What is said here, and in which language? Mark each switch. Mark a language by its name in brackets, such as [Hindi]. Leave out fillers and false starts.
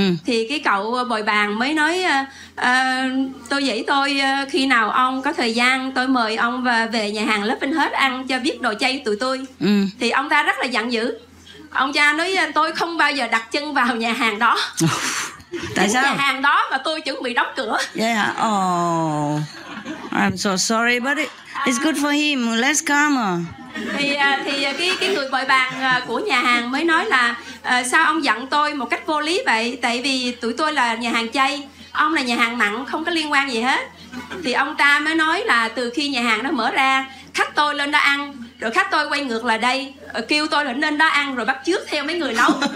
[Vietnamese] Thì cái cậu bồi bàn mới nói, tôi dạy tôi khi nào ông có thời gian tôi mời ông về nhà hàng Love and Hot ăn cho biết đồ chay tụi tôi. Thì ông ta rất là giận dữ. Ông cha nói tôi không bao giờ đặt chân vào nhà hàng đó. Tại sao? Nhà hàng đó mà tôi chuẩn bị đóng cửa. [English] Yeah. Oh, I'm so sorry, but it's good for him. Less karma. [Vietnamese] Thì cái người bồi bàn của nhà hàng mới nói là sao ông giận tôi một cách vô lý vậy? Tại vì tụi tôi là nhà hàng chay, ông là nhà hàng mặn, không có liên quan gì hết. Thì ông ta mới nói là từ khi nhà hàng đó mở ra, khách tôi lên đó ăn, rồi khách tôi quay ngược lại đây, kêu tôi là nên đó ăn rồi bắt chước theo mấy người nấu.